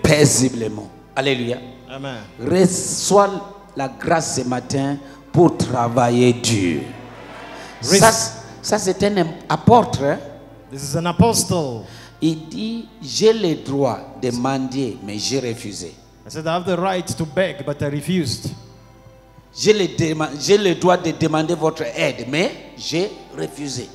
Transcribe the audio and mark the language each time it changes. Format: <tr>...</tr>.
<fr>Paisiblement. Alléluia. Amen. Reçois la grâce ce matin pour travailler dur. Ça c'est un apôtre.</fr> <en>This is an apostle.</en> <fr>Il dit, j'ai le droit de mendier, mais j'ai refusé.</fr> <en>I said, I have the right to beg, but I refused.</en> <fr>J'ai le droit de demander votre aide, mais j'ai refusé.</fr>